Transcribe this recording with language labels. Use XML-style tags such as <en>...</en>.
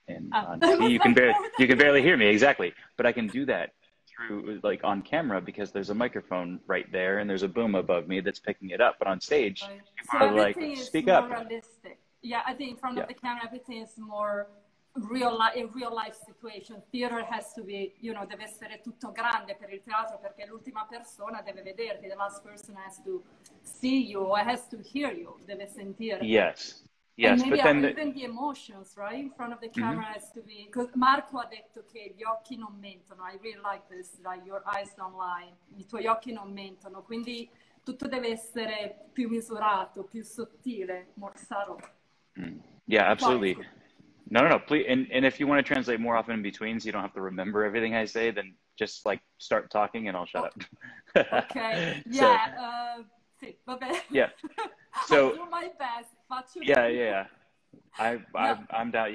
<en>And you can barely hear me, exactly. But I can do that through like on camera because there's a microphone right there and there's a boom above me that's picking it up. But on stage, so like, speak up. Realistic. Yeah, I think in front of the camera, everything is more real life situation. Theater has to be,</en> <it>deve essere tutto grande per il teatro perché l'ultima persona deve vederti.</it> <en>The last person has to see you or has to hear you.</en> <it>Deve sentire.</it> <en>Yes. Yes, and maybe even the emotions, right? In front of the camera has to be... Because Marco</en> <it>ha detto che gli occhi non mentono.</it> <en>I really like this, like your eyes don't lie.</en> <it>I tuoi occhi non mentono. Quindi tutto deve essere più misurato, più sottile,</it> <en>more subtle. Yeah, absolutely. No. Please, and if you want to translate more often in between so you don't have to remember everything I say, then just like start talking and I'll shut up.</en> <it>Okay. Yeah. Sì, va bene.</it> <en>Yeah. So, I'll do my best. Yeah. I'm down.</en>